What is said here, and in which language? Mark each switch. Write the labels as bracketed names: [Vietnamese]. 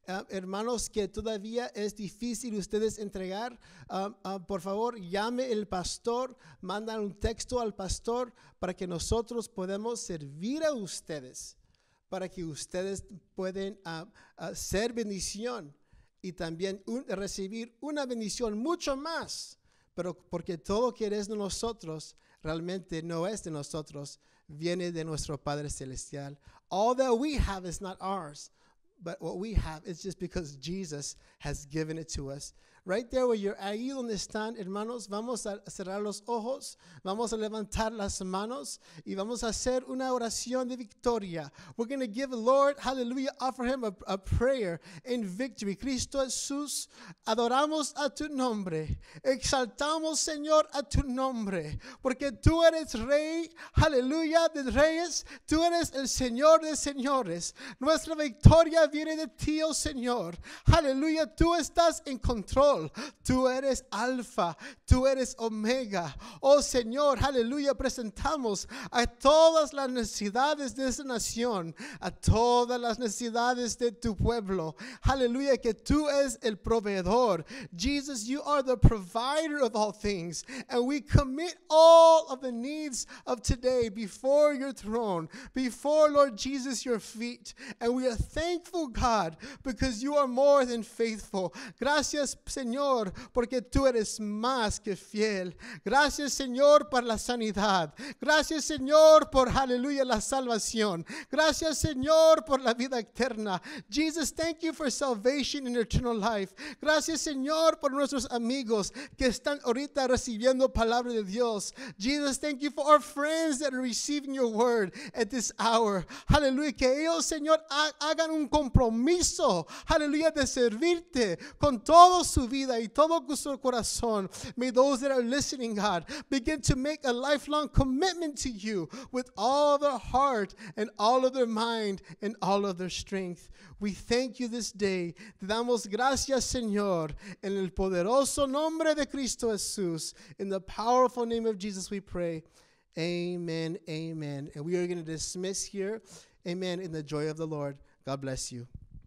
[Spanish] Hermanos, que todavía es difícil ustedes entregar, por favor, llame el pastor, mandan un texto al pastor para que nosotros podamos servir a ustedes, para que ustedes puedan ser bendición y también recibir una bendición mucho más, pero porque todo que es de nosotros realmente no es de nosotros, viene de nuestro Padre Celestial. [English] All that we have is not ours. But what we have is just because Jesus has given it to us. Right there where you're, [Spanish] ahí donde están, hermanos, vamos a cerrar los ojos, vamos a levantar las manos, y vamos a hacer una oración de victoria. [English] We're going to give the Lord, hallelujah, offer him a prayer in victory. [Spanish] Cristo Jesús, adoramos a tu nombre, exaltamos, Señor, a tu nombre, porque tú eres rey, hallelujah, de reyes, tú eres el Señor de señores. Nuestra victoria viene de ti, oh Señor, hallelujah, tú estás en control. sol. Tú eres alfa. Tú eres omega. Oh, Señor, aleluya, presentamos a todas las necesidades de esa nación, a todas las necesidades de tu pueblo. Aleluya, que tú eres el proveedor. [English] Jesus, you are the provider of all things. And we commit all of the needs of today before your throne, before, Lord Jesus, your feet. And we are thankful, God, because you are more than faithful. [Spanish] Gracias, Señor, porque tú eres más que fiel. Gracias, Señor, por la sanidad. Gracias, Señor, por, aleluya, la salvación. Gracias, Señor, por la vida eterna. [English] Jesus, thank you for salvation and eternal life. [Spanish] Gracias, Señor, por nuestros amigos que están ahorita recibiendo palabra de Dios. [English] Jesus, thank you for our friends that are receiving your word at this hour. [Spanish] Aleluya, que ellos, Señor, hagan un compromiso, aleluya, de servirte con toda su vida y todo su corazón. [English] May those that are listening, God, begin to make a lifelong commitment to you with all of their heart and all of their mind and all of their strength. We thank you this day. [Spanish] Te damos gracias, Señor, en el poderoso nombre de Cristo Jesús. [English] In the powerful name of Jesus, we pray. Amen, amen. And we are going to dismiss here. Amen. In the joy of the Lord. God bless you.